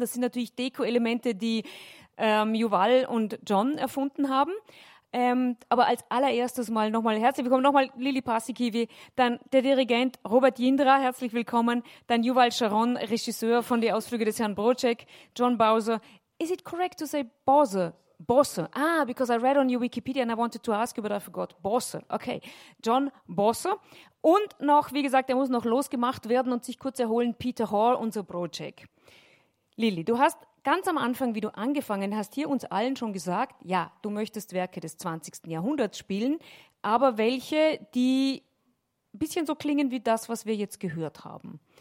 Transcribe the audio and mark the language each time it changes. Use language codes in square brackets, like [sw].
[de] Das sind natürlich Deko-Elemente, die Yuval und John erfunden haben. Aber als allererstes mal nochmal herzlich willkommen, nochmal Lili Paasikivi, dann der Dirigent Robert Jindra, herzlich willkommen, dann Yuval Sharon, Regisseur von Die Ausflüge des Herrn Brocek, John Bowser. [en] Is it correct to say Bowser? Bosse. Ah, because I read on your Wikipedia and I wanted to ask you, but I forgot. Bosse. Okay. John Bosse. [de] Und noch, wie gesagt, er muss noch losgemacht werden und sich kurz erholen, Peter Hall, unser Brocek. Lili, du hast ganz am Anfang, wie du angefangen hast, hier uns allen schon gesagt, ja, du möchtest Werke des 20. Jahrhunderts spielen, aber welche, die ein bisschen so klingen wie das, was wir jetzt gehört haben.